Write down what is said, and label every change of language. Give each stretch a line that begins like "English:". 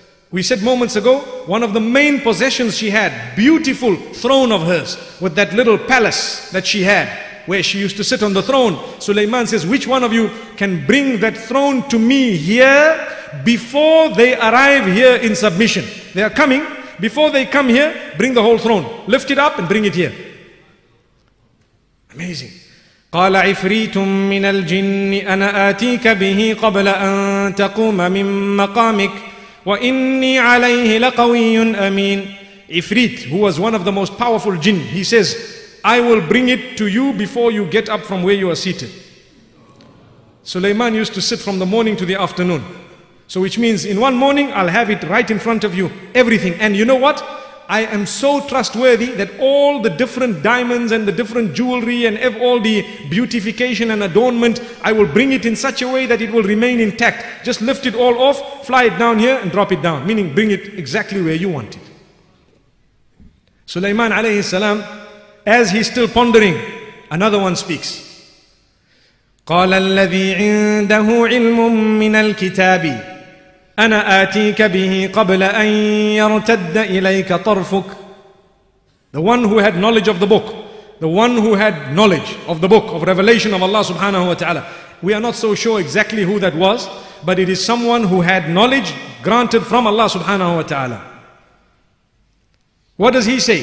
English: We said moments ago, one of the main possessions she had, beautiful throne of hers, with that little palace that she had, where she used to sit on the throne. Sulayman says, which one of you can bring that throne to me here before they arrive here in submission? They are coming. Before they come here, bring the whole throne. Lift it up and bring it here. Amazing.
Arabic: قال عفريت من الجن أنا آتيك به قبل أن تقوم من مقامك وإني عليه لقوي أمين.
English: Ifrit, who was one of the most powerful jinn, he says, I will bring it to you before you get up from where you are seated. Sulayman used to sit from the morning to the afternoon. So which means in one morning I'll have it right in front of you, everything. And you know what? I am so trustworthy that all the different diamonds and the different jewelry and all the beautification and adornment, I will bring it in such a way that it will remain intact. Just lift it all off, fly it down here and drop it down. Meaning bring it exactly where you want it. Sulayman alayhi salam, as he's still pondering, another one speaks.
Arabic: قال الذي عنده علم من الكتاب أنا آتيك به قبل أن يرتد إليك طرفك.
English: The one who had knowledge of the book, the one who had knowledge of the book of revelation of Allah subhanahu wa ta'ala. We are not so sure exactly who that was, but it is someone who had knowledge granted from Allah subhanahu wa ta'ala. What does he say?